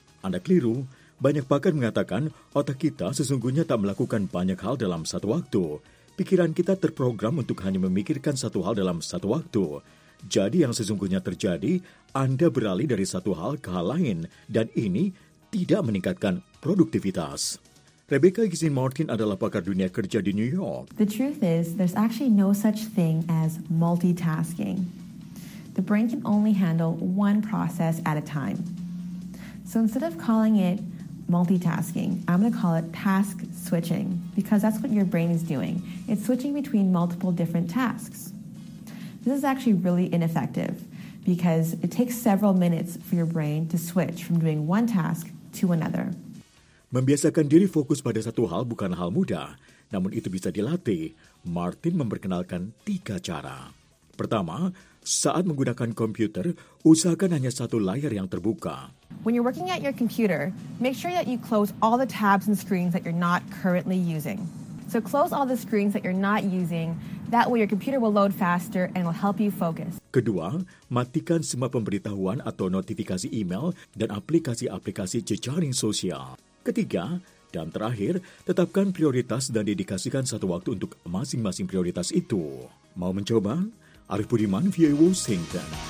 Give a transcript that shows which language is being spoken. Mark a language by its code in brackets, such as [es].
[id] Anda keliru, banyak pakar mengatakan otak kita sesungguhnya tak melakukan banyak hal dalam satu waktu. Pikiran kita terprogram untuk hanya memikirkan satu hal dalam satu waktu. Jadi yang sesungguhnya terjadi, Anda beralih dari satu hal ke hal lain, dan ini tidak meningkatkan produktivitas. Rebecca Gisin Martin adalah pakar dunia kerja di New York. [en] The truth is, there's actually no such thing as multitasking. The brain can only handle one process at a time. So instead of calling it multitasking, I'm going to call it task switching, because that's what your brain is doing. It's switching between multiple different tasks. This is actually really ineffective because it takes several minutes for your brain to switch from doing one task to another. [id] Membiasakan diri fokus pada satu hal bukan hal mudah, namun itu bisa dilatih. Martin memperkenalkan tiga cara. Pertama, saat menggunakan komputer, usahakan hanya satu layar yang terbuka. [en] When you're working at your computer, make sure that you close all the tabs and screens that you're not currently using. So close all the screens that you're not using, that way your computer will load faster and will help you focus. [id] Kedua, matikan semua pemberitahuan atau notifikasi email dan aplikasi-aplikasi jejaring sosial. Ketiga, dan terakhir, tetapkan prioritas dan dedikasikan satu waktu untuk masing-masing prioritas itu. Mau mencoba? Arif Budiman, VOA Washington.